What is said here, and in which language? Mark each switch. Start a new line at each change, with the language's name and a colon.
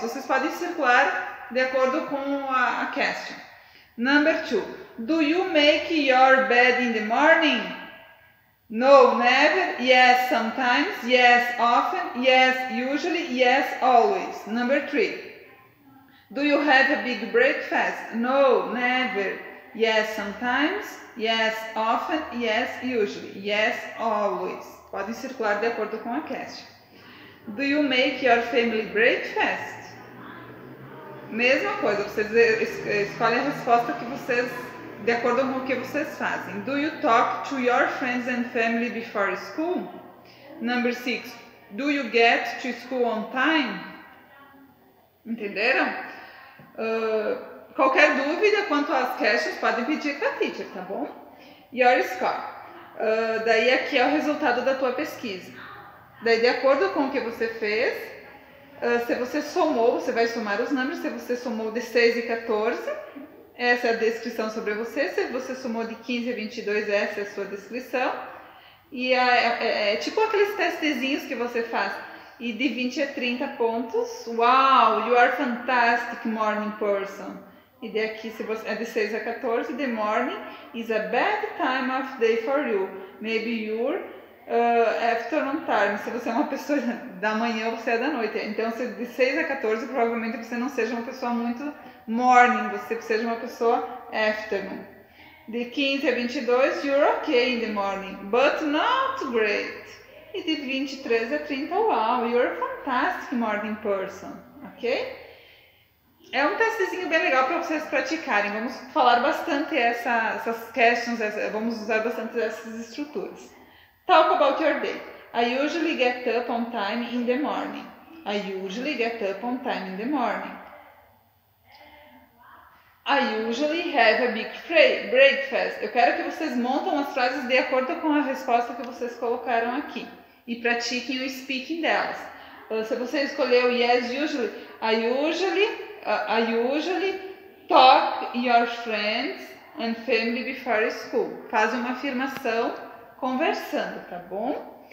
Portuguese: Vocês podem circular de acordo com a question.
English: Number two. Do you make your bed in the morning? No, never. Yes, sometimes. Yes, often. Yes, usually. Yes, always. Number three. Do you have a big breakfast? No, never. Yes, sometimes. Yes, often. Yes, usually. Yes, always.
Portuguese: Podem circular de acordo com a question.
English: Do you make your family breakfast?
Portuguese: Mesma coisa, vocês escolhem a resposta que vocês, de acordo com o que vocês fazem.
English: Do you talk to your friends and family before school? Number six. Do you get to school on time?
Portuguese: Entenderam? Qualquer dúvida quanto às questões, podem pedir para a teacher, tá bom?
English: Your score.
Portuguese: Daí aqui é o resultado da tua pesquisa. Daí, de acordo com o que você fez, se você somou, você vai somar os números, se você somou de 6 e 14, essa é a descrição sobre você. Se você somou de 15 e 22, essa é a sua descrição. E é tipo aqueles testezinhos que você faz. E de 20 a 30 pontos,
English: wow, you are fantastic morning person.
Portuguese: E de aqui, se você é de 6 a 14,
English: the morning is a bad time of day for you. Maybe you're afternoon time.
Portuguese: Se você é uma pessoa da manhã, você é da noite. Então, se de 6 a 14, provavelmente você não seja uma pessoa muito morning. Você seja uma pessoa afternoon. De 15 a 22,
English: you're okay in the morning, but not great.
Portuguese: E de 23 a 30,
English: wow, you're a fantastic morning person. Ok?
Portuguese: É um testezinho bem legal para vocês praticarem. Vamos falar bastante essas questions, vamos usar bastante essas estruturas.
English: Talk about your day. I usually get up on time in the morning. I usually get up on time in the morning. I usually have a big breakfast.
Portuguese: Eu quero que vocês montem as frases de acordo com a resposta que vocês colocaram aqui e pratiquem o speaking delas. Se você escolheu
English: yes, usually, I usually talk your friends and family before school.
Portuguese: Faz uma afirmação conversando, tá bom?